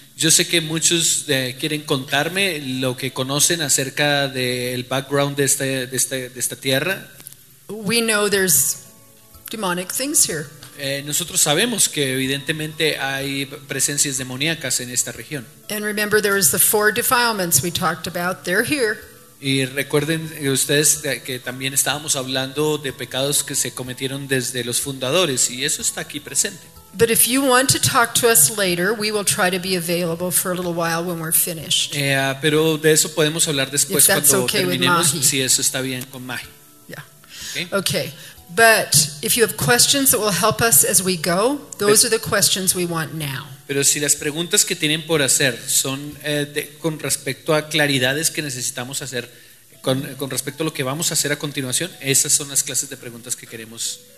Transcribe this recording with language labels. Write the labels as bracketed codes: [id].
[es] Yo sé que muchos quieren contarme lo que conocen acerca del background de esta tierra. [en] We know there's demonic things here. [es] Nosotros sabemos que evidentemente hay presencias demoníacas en esta región. [en] And remember, there was the four defilements we talked about. They're here. [es] Y recuerden ustedes que también estábamos hablando de pecados que se cometieron desde los fundadores y eso está aquí presente. [en] But if you want to talk to us later, we will try to be available for a little while when we're finished. [es] Pero de eso podemos hablar después [en] if [es] cuando [en] okay [es] terminemos. Si eso está bien con Mahi. [en] Yeah. Okay. But if you have questions that will help us as we go, those are the questions we want now. [es] Pero si las preguntas que tienen por hacer son con respecto a claridades que necesitamos hacer con respecto a lo que vamos a hacer a continuación, esas son las clases de preguntas que queremos